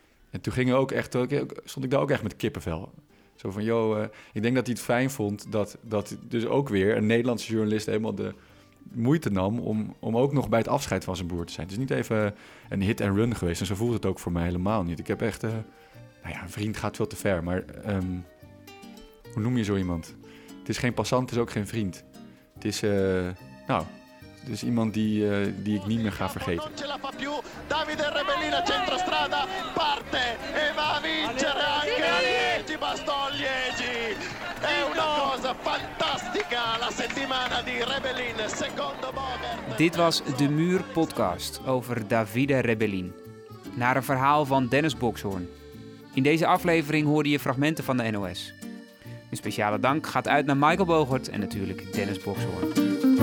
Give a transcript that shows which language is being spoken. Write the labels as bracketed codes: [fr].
[nl] En toen ging er ook echt, stond ik daar ook echt met kippenvel. Zo van, joh, ik denk dat hij het fijn vond dat dus ook weer een Nederlandse journalist helemaal de moeite nam om ook nog bij het afscheid van zijn broer te zijn. Het is niet even een [en] hit and run [nl] geweest en zo voelt het ook voor mij helemaal niet. Ik heb echt, een vriend gaat veel te ver, maar hoe noem je zo iemand? Het is geen passant, het is ook geen vriend. Het is, het is iemand die ik niet meer ga vergeten. [it] Davide Rebellin a centrostrada parte e va a vincere anche Aliegi Bastogliegi. È una cosa fantastica la settimana di Rebellin secondo Bogart. [nl] Dit was De Muur podcast over Davide Rebellin. Naar een verhaal van Dennis Bokshorn. In deze aflevering hoorde je fragmenten van de NOS. Een speciale dank gaat uit naar Michael Bogert en natuurlijk Dennis Bokshorn.